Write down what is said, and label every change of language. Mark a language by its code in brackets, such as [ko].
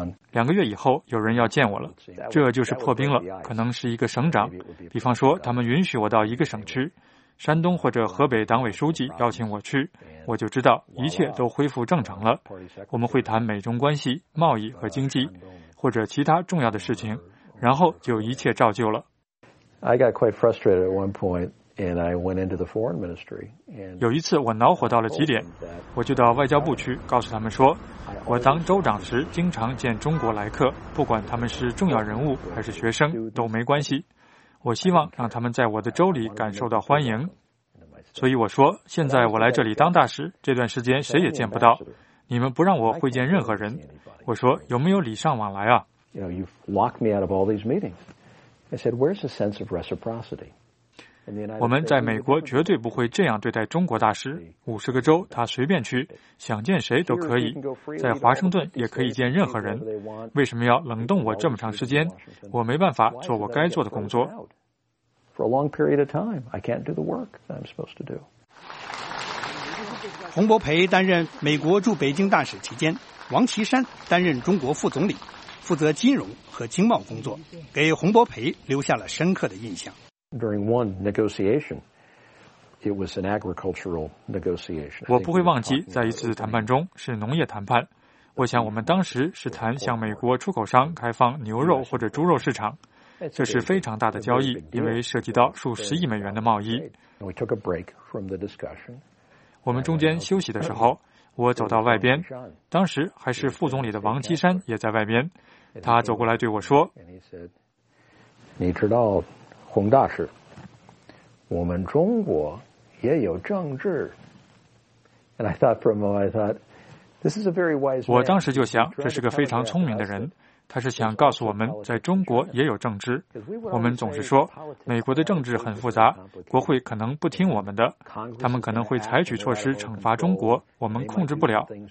[zh] 两个月以后有人要见我了，这就是破冰了，可能是一个省长，比方说他们允许我到一个省区，山东或者河北党委书记邀请我去，我就知道一切都恢复正常了。我们会谈美中关系、贸易和经济或者其他重要的事情，然后就一切照旧了。 [en] I got quite frustrated at one point, and I went into the foreign ministry. [zh] 有一次我恼火到了极点，我就到外交部去告诉他们说，我当州长时经常见中国来客，不管他们是重要人物还是学生都没关系，我希望让他们在我的州里感受到欢迎。所以我说，现在我来这里当大使，这段时间谁也见不到，你们不让我会见任何人，我说有没有礼尚往来啊？ [en] You've locked me out of all these meetings. I said, "Where's the sense of reciprocity?" [zh] 我们在美国绝对不会这样对待中国大使。五十个州，他随便去，想见谁都可以，在华盛顿也可以见任何人。为什么要冷冻我这么长时间？我没办法做我该做的工作。 [en] For a long period of time, I can't do the work that I'm supposed to do. [zh] 洪博培担任美国驻北京大使期间，王岐山担任中国副总理。负责金融和经贸工作，给洪博培留下了深刻的印象。 [en] During one negotiation, it was an agricultural negotiation. [zh] 我不会忘记，在一次谈判中是农业谈判。我想我们当时是谈向美国出口商开放牛肉或者猪肉市场，这是非常大的交易，因为涉及到数十亿美元的贸易。 [en] We took a break from the discussion. [zh] 我们中间休息的时候。我走到外边，当时还是副总理的王岐山也在外边，他走过来对我说，你知道洪大使，我们中国也有政治。 [en] And I thought for a moment, I thought, this is a very wise man. [zh] 我当时就想，这是个非常聪明的人，他是想告诉我们在中国也有政治。我们总是说美国的政治很复杂，国会可能不听我们的，他们可能会采取措施惩罚中国，我们控制不了。